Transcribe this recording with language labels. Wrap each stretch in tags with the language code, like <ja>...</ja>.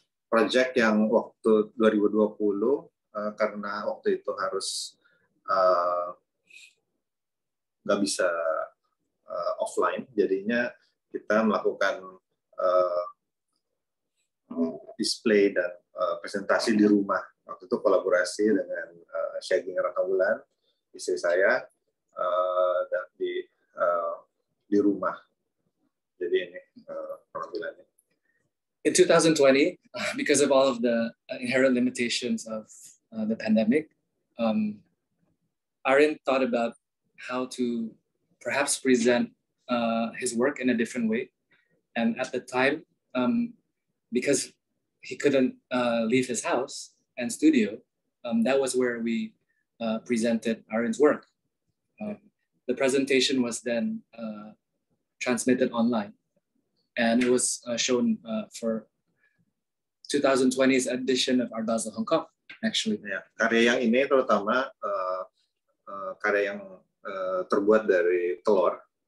<id>Project yang waktu 2020 karena waktu itu harus nggak bisa offline, jadinya kita melakukan display dan presentasi di rumah. Waktu itu kolaborasi dengan Shaggy Rakawulan, istri saya, dan di rumah. Jadi ini perwakilannya.</id> <en>In 2020, because of all of the inherent limitations of the pandemic, Arin thought about how to perhaps present his work in a different way. And at the time, because he couldn't leave his house and studio, that was where we presented Arin's work. The presentation was then transmitted online, and it was shown for 2020's edition of Art Basel Hong Kong, actually. Yeah.</en> <id>Karya yang ini terutama karya yang terbuat dari telur,</id>